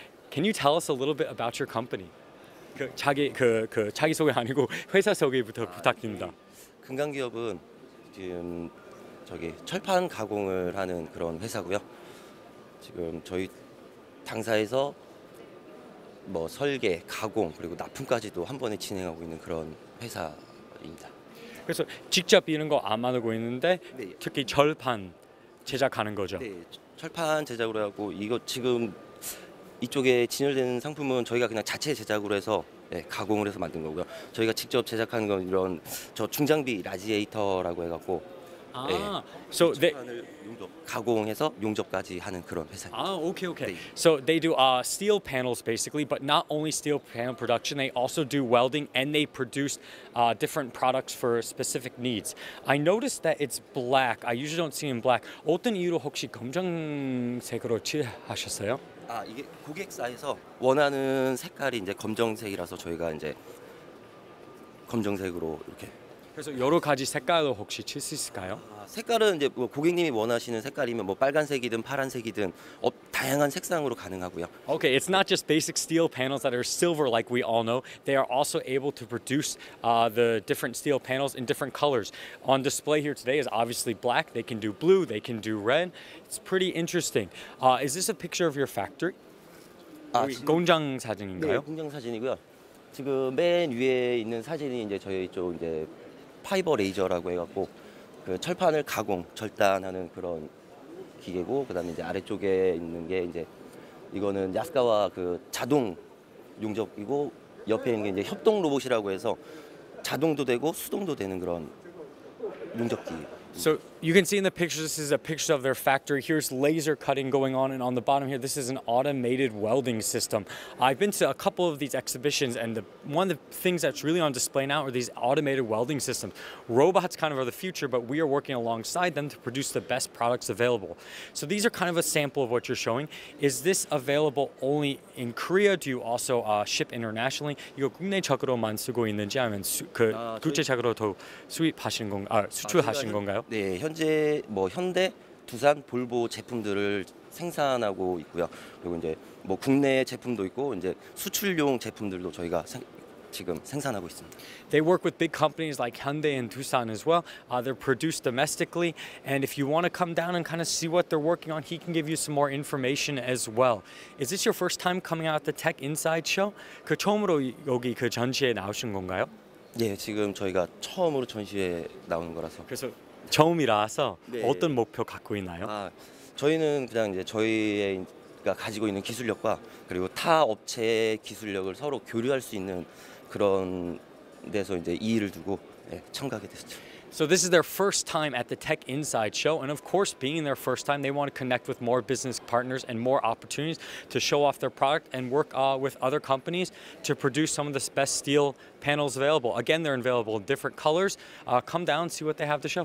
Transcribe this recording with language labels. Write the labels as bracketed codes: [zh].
[en] Can you tell us a little bit about your company? [ko] 자기소개 아니고 회사 소개부터 부탁드립니다. 금강기업은 지금 저기 철판 가공을 하는 그런 회사고요. 지금 저희 당사에서 뭐 설계, 가공, 그리고 납품까지도 한 번에 진행하고 있는 그런 회사입니다. 그래서 직접 이런 거 안 만들고 있는데 네. 특히 철판 제작하는 거죠? 네, 철판 제작으로 하고 이거 지금 이쪽에 진열되는 상품은 저희가 그냥 자체 제작으로 해서 네, 가공을 해서 만든 거고요. 저희가 직접 제작하는 건 이런 저 중장비 라지에이터라고 해갖고 네, so 철판을 용접 가공해서 용접까지 하는 그런 회사입니다. 아, 오케이, 오케이. 네. [en] So they do steel panels basically, but not only steel panel production, they also do welding and they produce different products for specific needs. I noticed that it's black. I usually don't see it in black. [ko] 어떤 이유로 혹시 검정색으로 칠하셨어요? 아, 이게 고객사에서 원하는 색깔이 이제 검정색이라서 저희가 이제 검정색으로 이렇게. 그래서 여러 가지 색깔로 혹시 칠 수 있을까요? 아, 색깔은 이제 뭐 고객님이 원하시는 색깔이면 뭐 빨간색이든 파란색이든 다양한 색상으로 가능하고요. [en] Okay, it's not just basic steel panels that are silver like we all know. They are also able to produce the different steel panels in different colors. On display here today is obviously black. They can do blue. They can do red. It's pretty interesting. Is this a picture of your factory? [ko] 아, 공장 사진인가요? 네, 공장 사진이고요. 지금 맨 위에 있는 사진이 이제 저희 쪽 이제 파이버 레이저라고 해갖고 그 철판을 가공 절단하는 그런 기계고 그다음에 이제 아래쪽에 있는 게 이제 이거는 야스카와 그 자동 용접이고 옆에 있는 게 이제 협동 로봇이라고 해서 자동도 되고 수동도 되는 그런 용접기. [en] So you can see in the picture, this is a picture of their factory. Here's laser cutting going on, and on the bottom here, this is an automated welding system. I've been to a couple of these exhibitions, and one of the things that's really on display now are these automated welding systems. Robots kind of are the future, but we are working alongside them to produce the best products available. So these are kind of a sample of what you're showing. Is this available only in Korea? Do you also ship internationally? [ko] 이거 국내 적으로만 쓰고 있는지 아니면 국제적으로도 수입하시는 건가, 수출하시는 건가? 네, 현재 뭐 현대, 두산, 볼보 제품들을 생산하고 있고요. 그리고 이제 뭐 국내 제품도 있고 이제 수출용 제품들도 저희가 지금 생산하고 있습니다. [en] They work with big companies like Hyundai and Doosan as well. They're produced domestically. And if you want to come down and kind of see what they're working on, he can give you some more information as well. Is this your first time coming out the Tech Inside Show? [ko] 그 처음으로 여기 그 전시회 나오신 건가요? 네, 지금 저희가 처음으로 전시회에 나오는 거라서. 그래서 처음이라서 네. 어떤 목표 갖고 있나요? 저희는 그냥 이제 저희가 가지고 있는 기술력과 그리고 타 업체의 기술력을 서로 교류할 수 있는 그런 데서 이제 이의를 두고 네, 참가하게 됐죠. [en] So this is their first time at the Tech Inside Show, and of course, being their first time, they want to connect with more business partners and more opportunities to show off their product and work with other companies to produce some of the best steel panels available. Again, they're available in different colors. Come down and see what they have to show.